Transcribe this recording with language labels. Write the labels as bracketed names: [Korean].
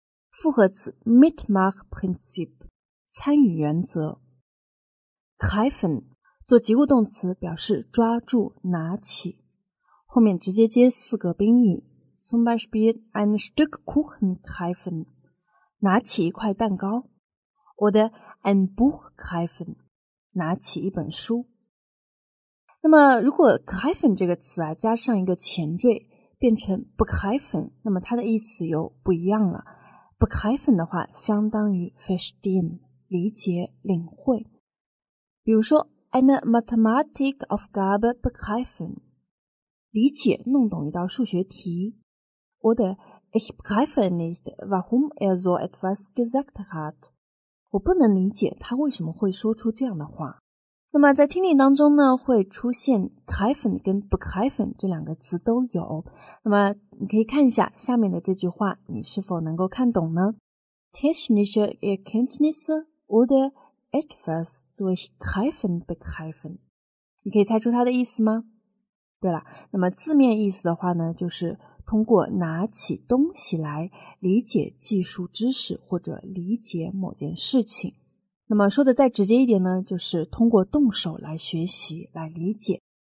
[Chinese] 复合词 ,mitmachprinzip, 参与原则。 greifen, 做及物动词表示抓住拿起。后面直接接四个宾语 , [German] zum Beispiel, ein Stück Kuchen greifen, [Chinese] 拿起一块蛋糕 , [German] oder ein Buch greifen, [Chinese] 拿起一本书。那么如果 begreifen 这个词啊加上一个前缀变成 begreifen, 那么它的意思又不一样了。 begreifen 的话相当于 verstehen, 理解领会。比如说 [German] eine Mathematikaufgabe begreifen, [Chinese] 理解弄懂一道数学题。 [German] Oder ich begreife nicht, warum so etwas gesagt hat. [Chinese] 我不能理解他为什么会说出这样的话。那么在听力当中呢会出现 greifen 跟 begreifen 这两个词都有。那么你可以看一下下面的这句话你是否能够看懂呢 [German] technische Erkenntnisse oder etwas durch greifen begreifen. [Chinese] 你可以猜出它的意思吗对了那么字面意思的话呢就是通过拿起东西来理解技术知识或者理解某件事情。那么说的再直接一点呢就是通过动手来学习来理解。